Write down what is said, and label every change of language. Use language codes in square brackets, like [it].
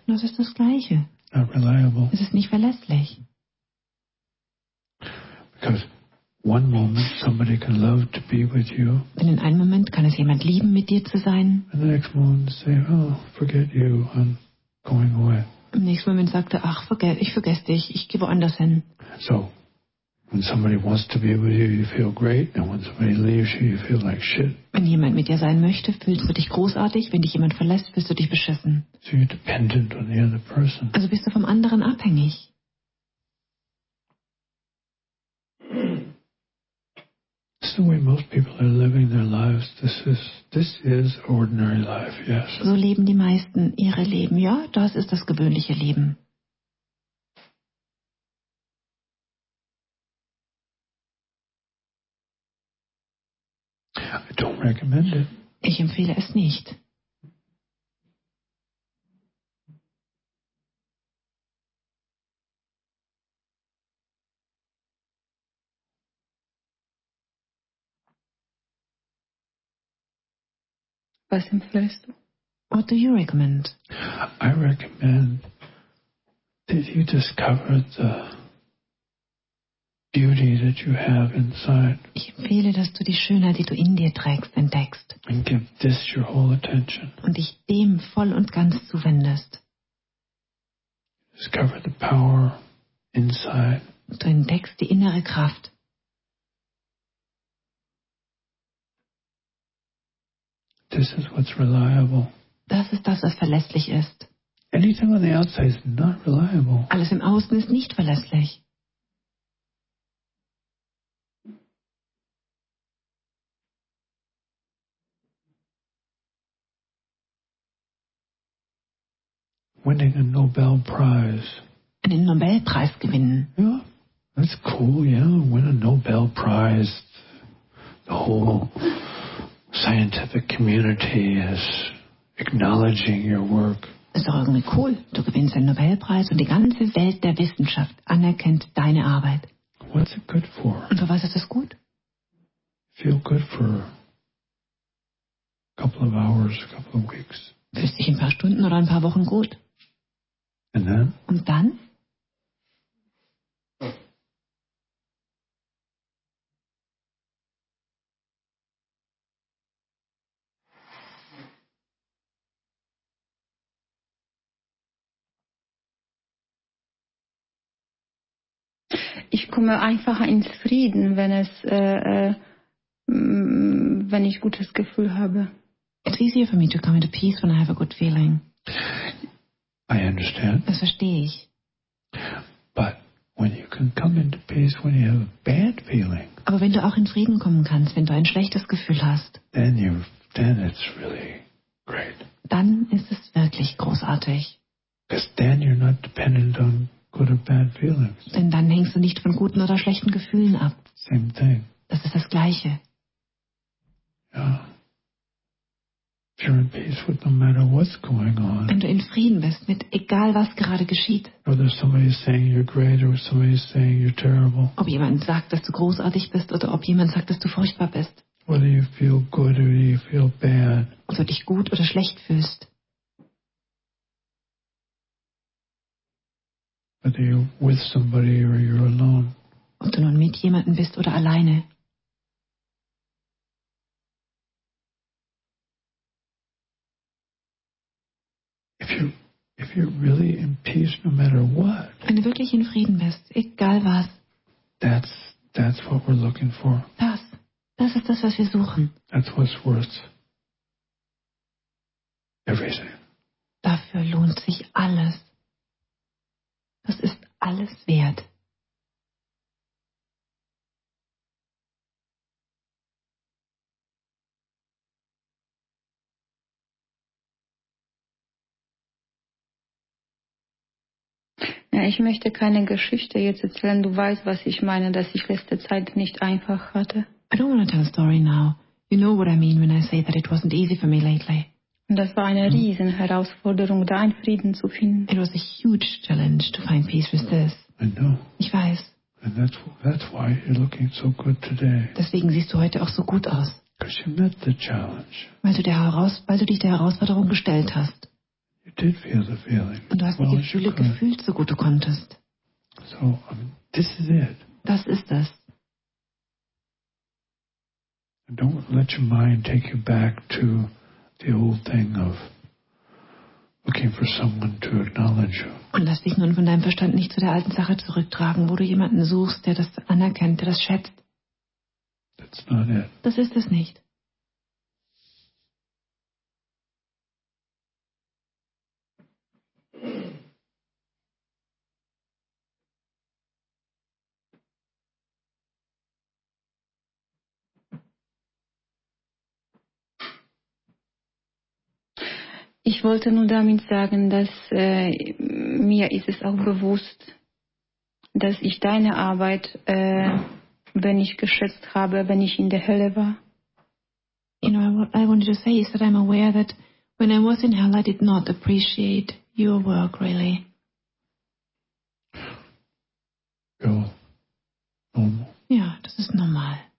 [de] Das ist das Gleiche. [en] Not reliable. [de] Es ist nicht verlässlich. [en] Because one moment somebody can love to be with you. [de] Denn in einem Moment kann es jemand lieben, mit dir zu sein. [en] And the next moment say, oh, forget you, I'm going away. [de] Im nächsten Moment sagt er, ach, ich vergesse dich, ich gehe woanders hin. [en] So, when somebody wants to be with you, you feel great, and when somebody leaves you, you feel like shit. [de] Wenn jemand mit dir sein möchte, fühlst du dich großartig. Wenn dich jemand verlässt, fühlst du dich beschissen. [en] So you're dependent on the other person. [de] Also bist du vom anderen abhängig. [en] This is the way most people are living their lives. This is ordinary life, yes. [de] So leben die meisten ihre Leben. Ja, das ist das gewöhnliche Leben. [en] I don't recommend it. [de] Ich empfehle es nicht. Was empfiehlst du? [en] What do you recommend? I recommend that you discover the beauty that you have inside. [de] Ich empfehle, dass du die Schönheit, die du in dir trägst, entdeckst. [en] And give this your whole attention. [de] Und dich dem voll und ganz zuwendest. [en] Discover the power inside. [de] Du entdeckst die innere Kraft. [en] This is what's reliable. [de] Das ist das, was verlässlich ist. [en] Anything on the outside is not reliable. [de] Alles im Außen ist nicht verlässlich. [en] Winning a Nobel Prize. [de] Einen Nobelpreis gewinnen. [en] Yeah, that's cool. Yeah, win a Nobel Prize. The whole scientific community is acknowledging your work. [de] Das ist doch irgendwie cool. Du gewinnst einen Nobelpreis und die ganze Welt der Wissenschaft anerkennt deine Arbeit. [en] What's it good for? [de] Und für was ist das gut? [en] Feel good for a couple of hours, a couple of weeks. [de] Fühlst dich ein paar Stunden oder ein paar Wochen gut? [en] And then? [de] Und dann? Ich komme einfacher ins Frieden, wenn es, wenn ich gutes Gefühl habe. [en] It's easier for me to come into peace when I have a good feeling. I understand. [de] Das verstehe ich. [en] But when you can come into peace when you have a bad feeling. [de] Aber wenn du auch in Frieden kommen kannst, wenn du ein schlechtes Gefühl hast. [en] Then it's really great. [de] Dann ist es wirklich großartig. [en] Because then you're not dependent on good or bad feelings. [de] Denn dann hängst du nicht von guten oder schlechten Gefühlen ab. [en] Same thing. [de] Das ist das Gleiche. [en] Yeah. If you're in peace with no matter what's going on. [de] Wenn du in Frieden bist, mit egal was gerade geschieht. [en] Whether somebody is saying you're great or somebody is saying you're terrible. [de] Ob jemand sagt, dass du großartig bist oder ob jemand sagt, dass du furchtbar bist. [en] Whether you feel good or you feel bad. [de] Ob du dich gut oder schlecht fühlst. [en] Whether you're with somebody or you're alone. [de] Ob du nun mit jemandem bist oder alleine. [en] If you're really in peace, no matter what. [de] Wenn du wirklich in Frieden bist, egal was. [en] That's what we're looking for. [de] Das ist das, was wir suchen. [en] That's what's worth everything. [de] Dafür lohnt sich alles. Das ist alles wert. Ja, ich möchte keine Geschichte jetzt erzählen. Du weißt, was ich meine, dass ich letzte Zeit nicht einfach hatte. [en] I don't want to tell a story now. You know what I mean when I say that it wasn't easy for me lately. [de] Das war eine riesen Herausforderung, da einen Frieden zu finden. [en] It was a huge challenge to find peace with this. I know. [de] Ich weiß. [en] And that's why you're looking so good today. [de] Deswegen siehst du heute auch so gut aus. [en] Because you met the challenge. [de] Weil du dich der Herausforderung gestellt hast. [en] You did feel the feeling. [de] Und du hast die Gefühle gefühlt, so gut du konntest. [en] So, I mean, this is it. [de] Das ist das. [en] And don't let your mind take you back to the old thing of looking for someone to acknowledge you. [de] Und lass dich nun von deinem Verstand nicht zu der alten Sache zurücktragen, wo du jemanden suchst, der das anerkennt, der das schätzt. [en] That's not it. [de] Das ist es nicht. Ich wollte nur damit sagen, dass mir ist es auch bewusst, dass ich deine Arbeit, wenn ich geschätzt habe, wenn ich in der Hölle war. [en] You know, what I wanted to say is that I'm aware that when I was in hell, I did not appreciate your work, really. [de] Ja, das ist normal.